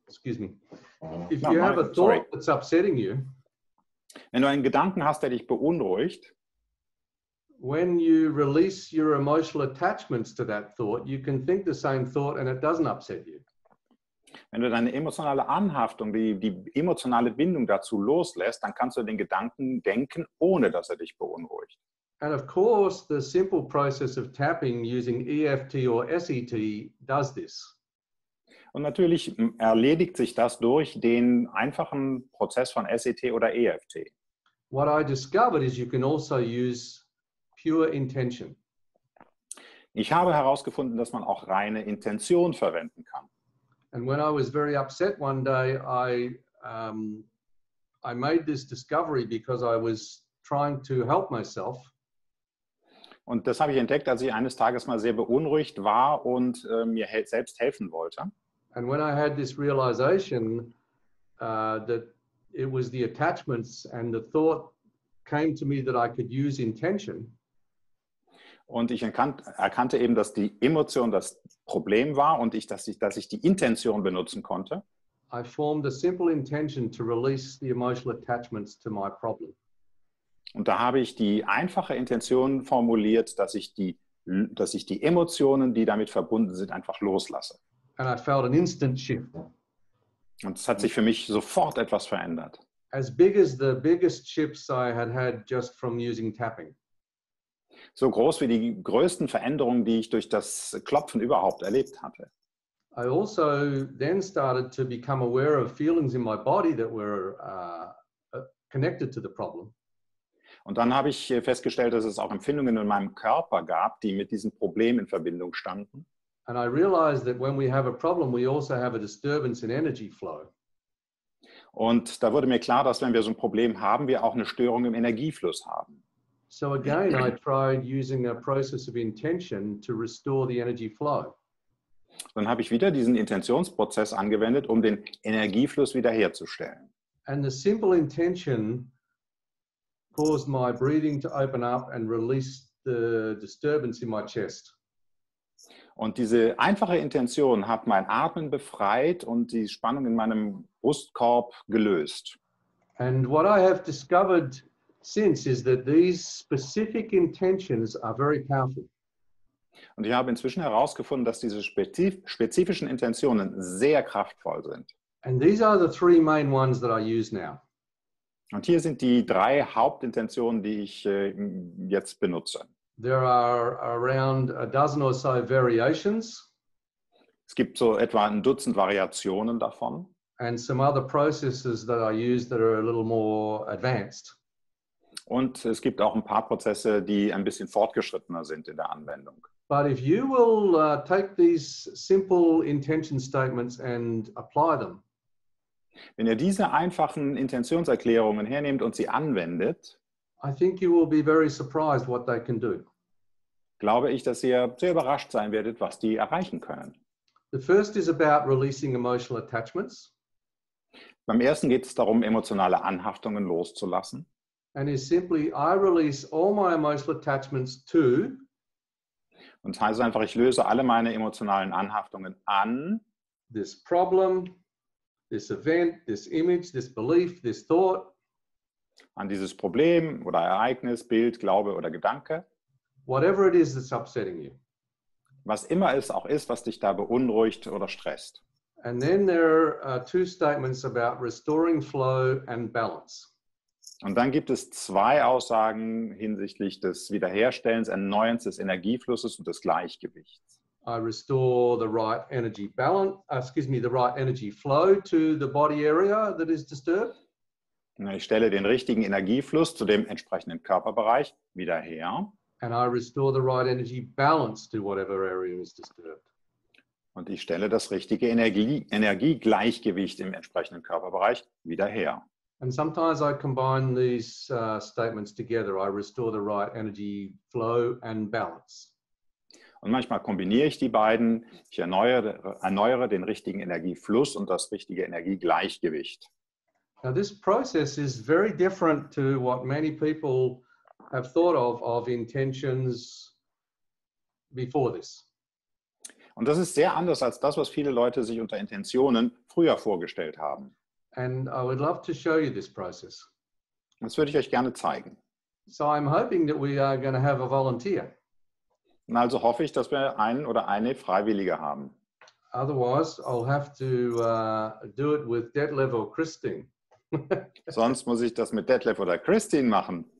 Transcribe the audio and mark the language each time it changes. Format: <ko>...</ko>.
<en>Excuse me. If you have a thought that's upsetting you,</en> <de>wenn du einen Gedanken hast, der dich beunruhigt,</de> <en>when you release your emotional attachments to that thought, you can think the same thought and it doesn't upset you.</en> <de>Wenn du deine emotionale Anhaftung, die emotionale Bindung dazu loslässt, dann kannst du den Gedanken denken, ohne dass er dich beunruhigt.</de> <en>And of course, the simple process of tapping using EFT or SET does this.</en> <de>Und natürlich erledigt sich das durch den einfachen Prozess von SET oder EFT.</de> <en>What I discovered is you can also use pure intention.</en> <de>Ich habe herausgefunden, dass man auch reine Intention verwenden kann.</de> <en>And when I was very upset one day, I made this discovery because I was trying to help myself.</en> <de>Und das habe ich entdeckt, als ich eines Tages mal sehr beunruhigt war und mir selbst helfen wollte.</de> <en>And when I had this realization that it was the attachments and the thought came to me that I could use intention.</en> <de>Und ich erkannte eben, dass die Emotion das Problem war und dass ich die Intention benutzen konnte.</de> <en>I formed a simple intention to release the emotional attachments to my problem.</en> <de>Und da habe ich die einfache Intention formuliert, dass ich die Emotionen, die damit verbunden sind, einfach loslasse.</de> <en>And I felt an instant shift.</en> <de>Und es hat sich für mich sofort etwas verändert.</de> <en>As big as the biggest shifts I had had just from using tapping.</en> <de>So groß wie die größten Veränderungen, die ich durch das Klopfen überhaupt erlebt hatte.</de> <en>I also then started to become aware of feelings in my body that were connected to the problem.</en> <de>Und dann habe ich festgestellt, dass es auch Empfindungen in meinem Körper gab, die mit diesem Problem in Verbindung standen.</de> <en>And I realized that when we have a problem, we also have a disturbance in energy flow.</en> <de>Und da wurde mir klar, dass wenn wir so ein Problem haben, wir auch eine Störung im Energiefluss haben.</de> <en>So again, I tried using a process of intention to restore the energy flow.</en> <de>Dann habe ich wieder diesen Intentionsprozess angewendet, um den Energiefluss wiederherzustellen.</de> <en>And the simple intention caused my breathing to open up and release the disturbance in my chest.</en> <de>Und diese einfache Intention hat mein Atmen befreit und die Spannung in meinem Brustkorb gelöst.</de> <en>And what I have discovered since is that these specific intentions are very powerful.</en> <de>Und ich habe inzwischen herausgefunden, dass diese spezifischen Intentionen sehr kraftvoll sind.</de> <en>And these are the three main ones that I use now.</en> <de>Und hier sind die drei Hauptintentionen, die ich jetzt benutze.</de> <en>There are around a dozen or so variations.</en> <de>Es gibt so etwa ein Dutzend Variationen davon.</de> <en>And some other processes that I use that are a little more advanced.</en> <de>Und es gibt auch ein paar Prozesse, die ein bisschen fortgeschrittener sind in der Anwendung.</de> <en>But if you will take these simple intention statements and apply them.</en> <de>Wenn ihr diese einfachen Intentionserklärungen hernehmt und sie anwendet,</de> <en>I think you will be very surprised what they can do.</en> <de>Glaube ich, dass ihr sehr überrascht sein werdet, was die erreichen können.</de> <en>The first is about releasing emotional attachments.</en> <de>Beim ersten geht es darum, emotionale Anhaftungen loszulassen.</de> <en>And it's simply, I release all my emotional attachments to.</en> <de>Und heißt einfach, ich löse alle meine emotionalen Anhaftungen an.</de> <en>This problem, this event, this image, this belief, this thought.</en> <de>An dieses Problem oder Ereignis, Bild, Glaube oder Gedanke.</de> <en>Whatever it is that's upsetting you.</en> <de>Was immer es auch ist, was dich da beunruhigt oder stresst.</de> <en>And then there are two statements about restoring flow and balance.</en> <de>Und dann gibt es zwei Aussagen hinsichtlich des Wiederherstellens, Erneuerns des Energieflusses und des Gleichgewichts.</de> <en>I restore the right energy balance, the right energy flow to the body area that is disturbed.</en> <de>Ich stelle den richtigen Energiefluss zu dem entsprechenden Körperbereich wieder her.</de> <en>And I restore the right energy balance to whatever area is disturbed.</en> <de>Und ich stelle das richtige Energiegleichgewicht im entsprechenden Körperbereich wieder her.</de> <en>And sometimes I combine these statements together. I restore the right energy flow and balance.</en> <de>Und manchmal kombiniere ich die beiden. Ich erneuere den richtigen Energiefluss und das richtige Energiegleichgewicht.</de> <en>Now this process is very different to what many people have thought of intentions before this.</en> <de>Und das ist sehr anders als das, was viele Leute sich unter Intentionen früher vorgestellt haben.</de> <en>And I would love to show you this process.</en> <de>Das würde ich euch gerne zeigen.</de> <en>So I'm hoping that we are going to have a volunteer.</en> <de>Und also hoffe ich, dass wir einen oder eine Freiwillige haben.</de> <en>Otherwise, I'll have to do it with Detlev or Christine.</en> <de>Sonst muss ich das mit Detlev oder Christine machen.</de>